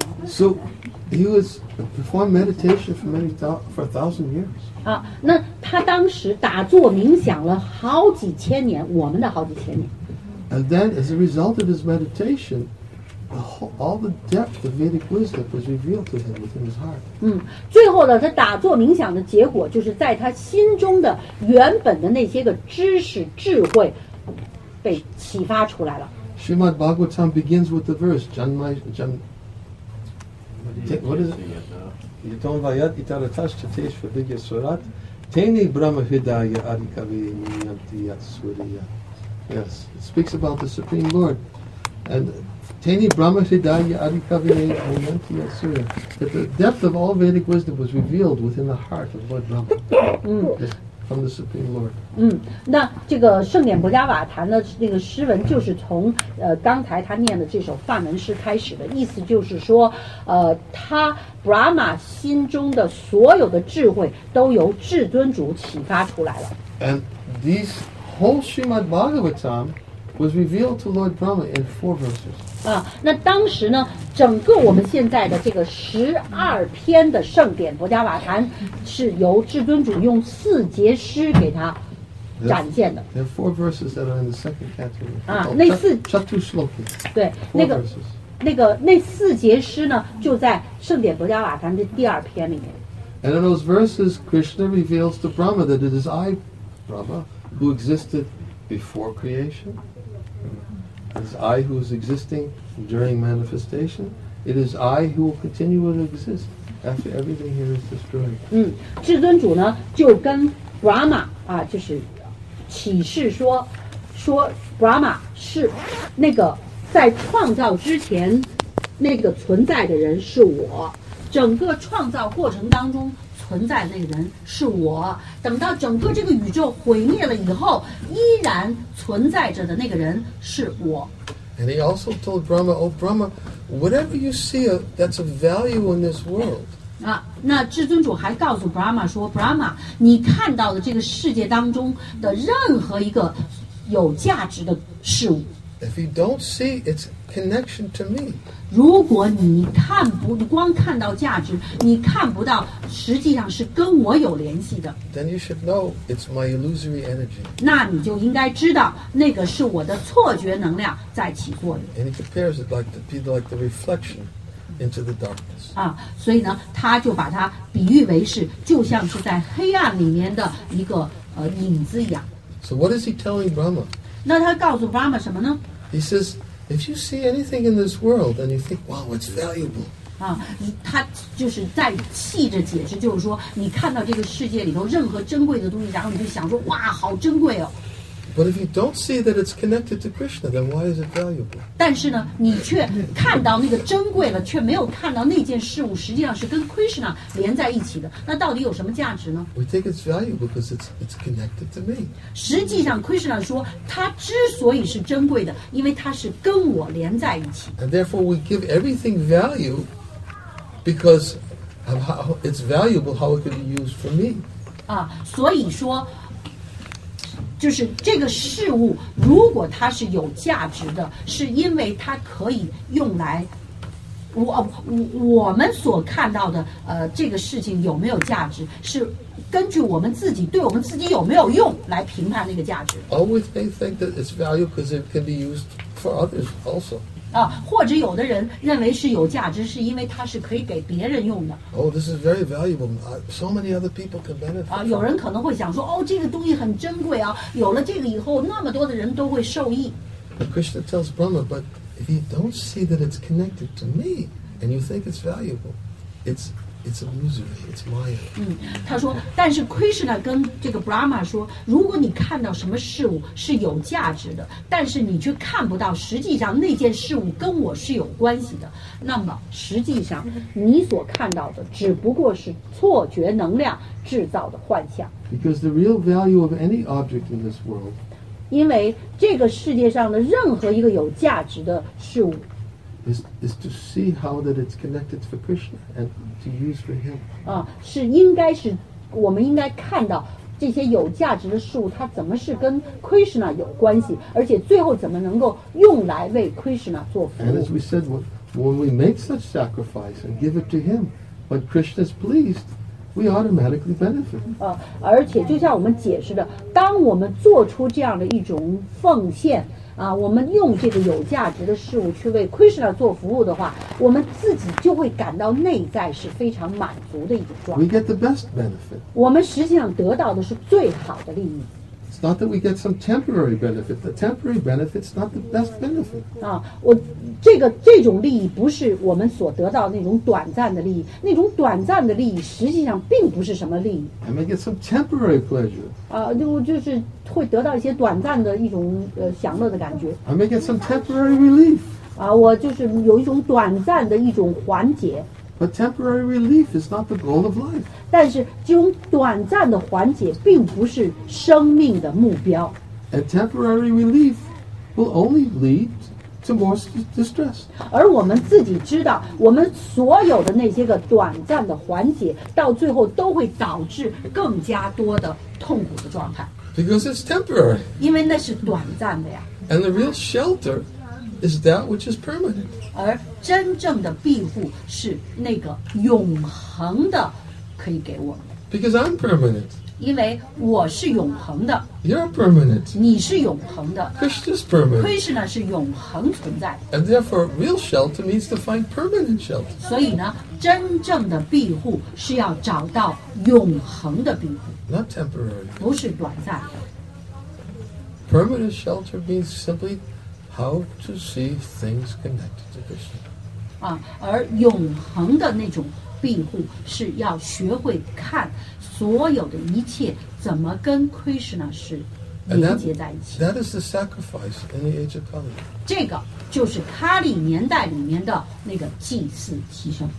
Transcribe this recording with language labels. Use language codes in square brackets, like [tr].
[en] So he was performing meditation for a thousand years. [zh] 那他当时打坐冥想了好几千年，我们的好几千年。 [en] And then, as a result of his meditation, all the depth of Vedic wisdom was revealed to him within his heart. [zh] 最后呢，他打坐冥想的结果就是在他心中的原本的那些个知识智慧被启发出来了。 [en] Srimad Bhagavatam begins with the verse, Janmai. What is it? [sa] Yatom vayat itaratash chatesh vidya surat teni brahma hidaya adikavi niyanti yatsuriya. [en] Yes, it speaks about the Supreme Lord. And [sa] teni brahma hidaya adikavi niyanti yatsuriya. [en] That the depth of all Vedic wisdom was revealed within the heart of Lord Brahma. From the Supreme Lord. [zh] 那这个圣典博加瓦坛的那个诗文就是从刚才他念的这首梵文诗开始的，意思就是说，他 Brahma 心中的所有的智慧都由至尊主启发出来了。 [en] And this whole Srimad Bhagavatam was revealed to Lord Brahma in 4 verses. [zh] 那当时呢，整个我们现在的这个12篇的圣典博加瓦坛是由至尊主用4节诗给他展现的。 [en] There are 4 verses that are in the second category. [zh] 那四 [sa] Chatushloki. [zh] 对，那四节诗呢，就在圣典博加瓦坛的第二篇里面。 [en] And in those verses, Krishna reveals to Brahma that it is I, Brahma, who existed before creation. It is I who is existing during manifestation. It is I who will continue to exist after everything here is destroyed. [zh] 至尊主呢就跟 Brahma 就是启示说 Brahma 是那个在创造之前那个存在的人是我，整个创造过程当中存在那个人是我，等到整个这个宇宙毁灭了以后依然存在着的那个人是我。 [en] And he also told Brahma, Oh Brahma, whatever you see that's of value in this world. [zh] 那至尊主还告诉 Brahma 说， Brahma, 你看到的这个世界当中的任何一个有价值的事物， [en] If you don't see it's connection to me. [zh] 如果你看不，你光看到价值，你看不到实际上是跟我有联系的。 [en] Then you should know it's my illusory energy. [zh] 那你就应该知道，那个是我的错觉能量在起作用。 [en] And he compares it like to be like the reflection into the darkness. [zh] 所以呢，他就把它比喻为是，就像是在黑暗里面的一个影子一样。 [en] So what is he telling Brahma? [zh] 那他告诉 Brahma 什么呢 [en] ？He says. If you see anything in this world, and you think, "Wow, it's valuable." [zh] 他就是在细致解释，就是说，你看到这个世界里头任何珍贵的东西，然后你就想说，哇，好珍贵哦。 [en] But if you don't see that it's connected to Krishna, then why is it valuable? [zh] 但是呢，你却看到那个珍贵了，却没有看到那件事物实际上是跟 Krishna 连在一起的。那到底有什么价值呢？ [en] We think it's valuable because it's connected to me. [zh] 实际上 ，Krishna 说，它之所以是珍贵的，因为它是跟我连在一起。 [en] And therefore, we give everything value because of how it's valuable, how it could be used for me. [zh] 啊，所以说。就是这个事物，如果它是有价值的，是因为它可以用来，我们所看到的，这个事情有没有价值，是根据我们自己对我们自己有没有用来评判那个价值。 [en] Always they think that it's value because it can be used for others also. [zh] 啊，或者有的人认为是有价值，是因为它是可以给别人用的。 [en] Oh, this is very valuable. So many other people can benefit. [zh] 啊，有人可能会想说，哦，这个东西很珍贵啊，有了这个以后，那么多的人都会受益。 [en] But Krishna tells Brahma, but if you don't see that it's connected to me, and you think it's valuable, it's illusory, it's maya. [zh] 嗯，他说，但是 Krishna 跟这个 Brahma 说，如果你看到什么事物是有价值的，但是你却看不到实际上那件事物跟我是有关系的，那么实际上你所看到的只不过是错觉能量制造的幻象。 [en] Because the real value of any object in this world, [zh] 因为这个世界上的任何一个有价值的事物。 [en] Is to see how that it's connected for Krishna and to use for him. [zh] 啊，是应该是，我们应该看到这些有价值的事物，它怎么是跟 Krishna 有关系，而且最后怎么能够用来为 Krishna 做服务。 [en] And as we said, when we make such sacrifice and give it to him, when Krishna's pleased, we automatically benefit. [zh] 啊，而且就像我们解释的，当我们做出这样的一种奉献。啊，我们用这个有价值的事物去为 Krishna 做服务的话，我们自己就会感到内在是非常满足的一种状态。 [en] We get the best benefit. [zh] 我们实际上得到的是最好的利益。 [en] It's not that we get some temporary benefit. The temporary benefit's not the best benefit. [zh] 啊，我这种利益不是我们所得到的那种短暂的利益，那种短暂的利益实际上并不是什么利益。 [en] I may get some temporary pleasure. [zh] 啊，就是。会得到一些短暂的一种享乐的感觉。 [en] I may get some temporary relief. [zh] 啊，我就是有一种短暂的一种缓解。 [en] But temporary relief is not the goal of life. [zh] 但是这种短暂的缓解并不是生命的目标。 [en] A temporary relief will only lead to more distress. [zh] 而我们自己知道，我们所有的那些个短暂的缓解，到最后都会导致更加多的痛苦的状态。 [en] Because it's temporary. [zh] 因为那是短暂的呀。 [en] And the real shelter is that which is permanent. [zh] 而真正的庇护是那个永恒的可以给我们。 [en] Because I'm permanent. [zh] 因为我是永恒的。 [en] You're permanent. [zh] 你是永恒的。 [en] Krishna's permanent. [zh] Krishna 是永恒存在。 [en] And therefore, real shelter means to find permanent shelter. [zh] 所以呢，真正的庇护是要找到永恒的庇护。 [en] Not temporary. [zh] 不是短暂的。 [en] Permanent shelter means simply how to see things connected to Krishna. [zh] 啊，而永恒的那种庇护是要学会看所有的一切怎么跟 Krishna 是连接在一起。 [en] That is the sacrifice in the age of Kali. [zh] 这个就是卡里年代里面的那个祭祀牺牲。